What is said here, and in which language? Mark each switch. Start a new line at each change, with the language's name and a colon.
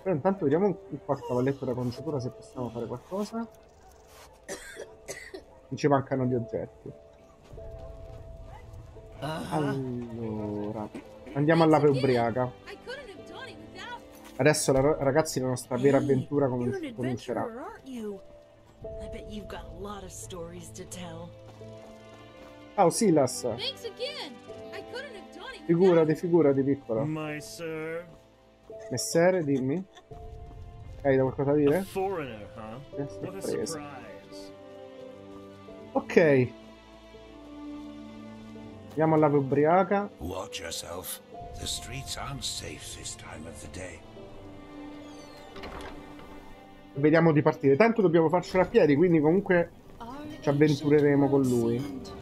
Italian: Però intanto vediamo il quarto cavalletto da conciatura, se possiamo fare qualcosa. Ci mancano gli oggetti. Allora, andiamo all'ape ubriaca. Adesso la ragazzi, la nostra vera avventura comincerà.
English: I bet you've got a lot of stories to tell. Oh, Silas. Thanks again. I couldn't have done it.
Italian: Figurati, piccolo.
English: My sir.
Italian: Messere, dimmi. Hai da qualcosa da dire?
English: A foreigner, huh? What a surprise. Ok.
Italian: Andiamo alla ubriaca.
English: Watch yourself. The streets aren't safe this time of the day.
Italian: Vediamo di partire. Tanto dobbiamo farcela a piedi, quindi comunque ci avventureremo con lui.